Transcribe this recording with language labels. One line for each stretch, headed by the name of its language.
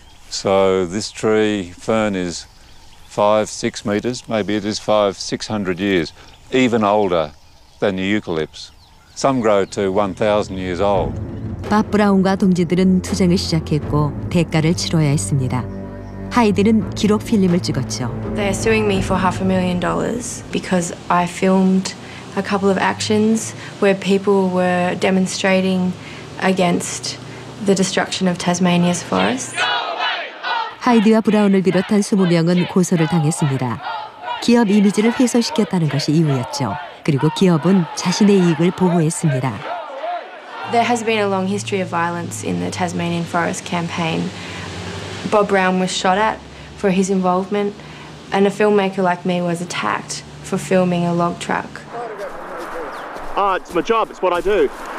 English: So this tree fern is 5, 6 meters, maybe it is 500, 600 years, even older than the eucalypts. Some grow to 1,000 years old.
Korean: 밥 브라운과 동지들은 투쟁을 시작했고 대가를 치러야 했습니다. 하이드는 기록 필름을 찍었죠.
English: They are suing me for $500,000 because I filmed a couple of actions where people were demonstrating against the destruction of Tasmania's forest.
Korean: 하이드와 브라운을 비롯한 20명은 고소를 당했습니다. 기업 이미지를 훼손시켰다는 것이 이유였죠. 그리고 기업은 자신의 이익을 보호했습니다.
English: There has been a long history of violence in the Tasmanian Forest campaign. Bob Brown was shot at for his involvement, and a filmmaker like me was attacked for filming a log truck. Ah, it's my job. It's what I do.